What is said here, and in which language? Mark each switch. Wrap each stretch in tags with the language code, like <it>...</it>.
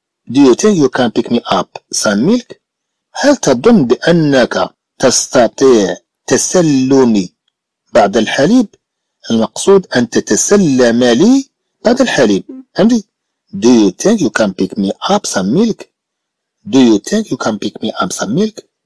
<en>Do you think you can pick me up some milk?</en> <ar>هل تظن بأنك تستطيع تسلمي بعض الحليب؟ المقصود أن تتسلم لي بعض الحليب. عندي.</ar> <en>Do you think you can pick me up some milk? Do you think you can pick me up some milk?</en>